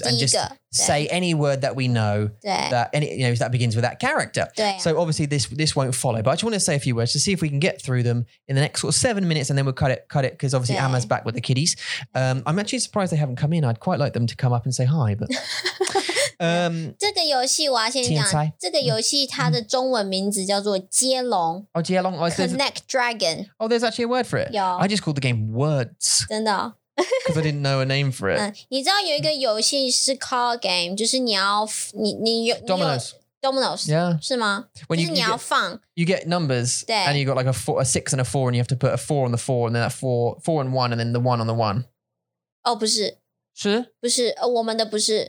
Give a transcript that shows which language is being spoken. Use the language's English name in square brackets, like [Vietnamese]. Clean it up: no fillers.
[English] and just say any word that we know that any that begins with that character. So obviously this won't follow, but I just want to say a few words to see if we can get through them in the next sort of 7 minutes, and then we'll cut it because obviously Amma's back with the kiddies. I'm actually surprised they haven't come in. I'd quite like them to come up and say hi, but [Chinese] 这个游戏我要先讲，这个游戏它的中文名字叫做接龙接龙 [English] Connect Dragon. Oh, there's actually a word for it. I just called the game Words. [Chinese] 真的 [English] Because I didn't know a name for it. [Chinese] 你知道有一个游戏是 [English] card game, [Chinese] 就是你要你有 [English] Dominoes. Yeah. [Chinese] 是吗? [English] When you get numbers, and you got like a six and a four, and you have to put a four on the four, and then that four and one, and then the one on the one. [Chinese] 哦，不是，是，不是，我们的不是。